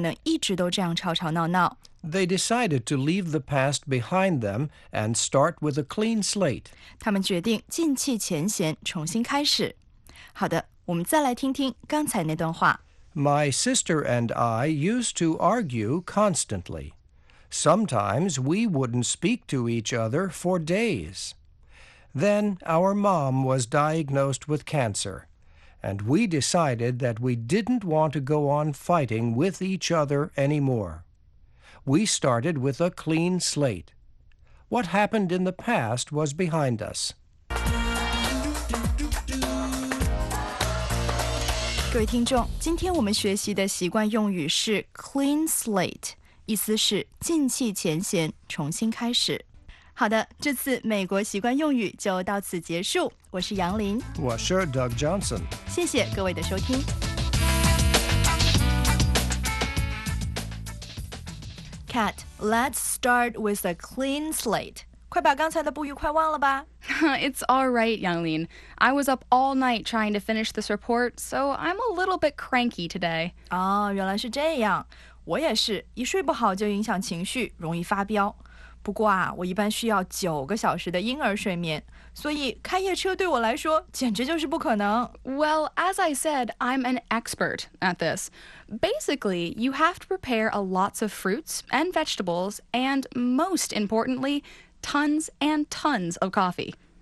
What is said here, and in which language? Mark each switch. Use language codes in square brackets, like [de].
[zh] 可自从知道妈妈被诊断出得了癌症以后，我们就决定再也不这样没完没了的争吵了。过去的都过去了，我们决定重新开始。是啊，有时候从不幸的事情里面也会在其他地方得到好的结果。上面的例子里，如果这两个姐妹的妈妈不生病，她们可能一直都这样吵吵闹闹。 [en] They decided to leave the past behind them and start with a clean slate. [zh] 她们决定摒弃前嫌，重新开始。 [en] My sister and I used to argue constantly. Sometimes we wouldn't speak to each other for days. Then our mom was diagnosed with cancer, and we decided that we didn't want to go on fighting with each other anymore. We started with a clean slate. What happened in the past was behind us. [zh] 各位听众，今天我们学习的习惯用语是 clean slate， 意思是摒弃前嫌，重新开始。好的，这次美国习惯用语就到此结束。我是杨林，我是 [en] Doug [zh] Johnson。谢谢各位的收听。 [en] Cat， let's start with a clean slate。 It's all right, Yanglin. I was up all night trying to finish this report, so I'm a little bit cranky today. Oh, [zh] 原来是这样。我也是，一睡不好就影响情绪，容易发飙。不过啊，我一般需要九个小时的婴儿睡眠，所以开夜车对我来说简直就是不可能。 [en] Well, as I said, I'm an expert at this. Basically, you have to prepare a lots of fruits and vegetables, and most importantly, tons and tons of coffee.